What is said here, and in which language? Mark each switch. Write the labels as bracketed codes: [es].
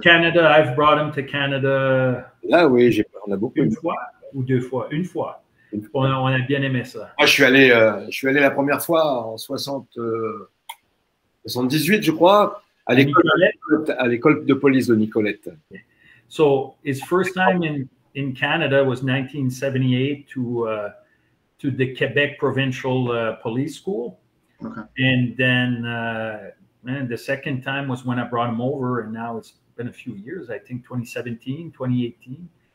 [en] Canada, I've brought him to Canada. [fr] Là, oui, on a beaucoup. Une fois. On a bien aimé ça. Moi, je suis allé la première fois en 78, je crois, à l'école de police de Nicolette. [en] So his first time in Canada was 1978 to the Quebec Provincial Police School. Okay. And then the second time was when I brought him over, and now it's been a few years, I think 2017, 2018.